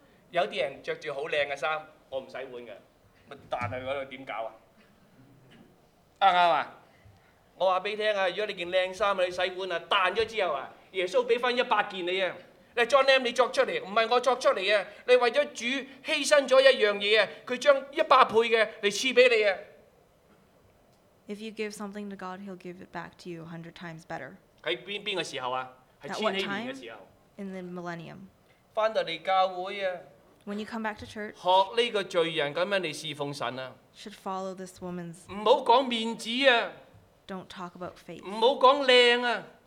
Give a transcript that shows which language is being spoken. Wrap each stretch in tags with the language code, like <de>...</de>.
<yue>有啲人著住好靚嘅衫，我唔使換嘅，咪彈去嗰度點搞啊？啱唔啱啊？我話俾你聽啊，如果你件靚衫你洗碗啊，彈咗之後啊，耶穌俾翻100件你啊！ John M 你作出嚟，唔係我作出嚟啊！你為咗主犧牲咗一樣嘢啊！佢將100倍嘅嚟賜俾你啊</yue> <en>！If you give something to God, He'll give it back to you 100 times better.</en> <yue>喺邊個時候啊？喺千禧年嘅時候。</yue> <en>In the millennium.</en> <yue>翻到嚟教会啊。</yue> <en>When you come back to church,</en> <yue>学呢个罪人咁样嚟侍奉神啊。</yue> <en>Should follow this woman's.</en> <yue>唔好讲面子啊。</yue> <en>Don't talk about faith.</en> <yue>唔好讲靓啊。</yue>